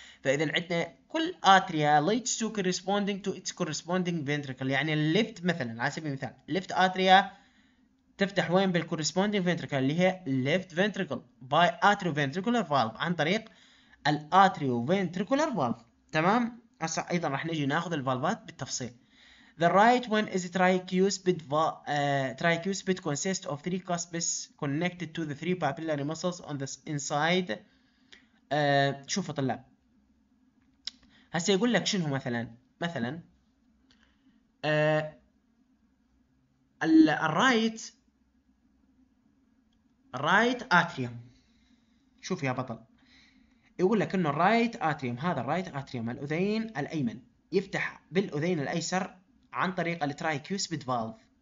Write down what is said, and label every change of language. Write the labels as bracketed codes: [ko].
[ar] فإذا عندنا كل آتريا [en] leads to corresponding to its corresponding ventricle، [ar] يعني الليفت مثلا على سبيل المثال ليفت آتريا تفتح وين بالcorresponding ventricle اللي هي left ventricle [en] by atrioventricular valve [ar] عن طريق الatrioventricular valve تمام. هسا أيضا راح نجي ناخذ الفالفات بالتفصيل. [en] The right one is tricuspid tricuspid consists of three cusps connected to the three papillary muscles on the inside. [ar] شوفوا طلاب هسه يقول لك شنو مثلا الرايت اتريوم. شوف يا بطل يقول لك انه الرايت اتريوم، هذا الرايت اتريوم الاذين الايمن يفتح بالاذين الايسر عن طريق الترايكيوسبيد فالف.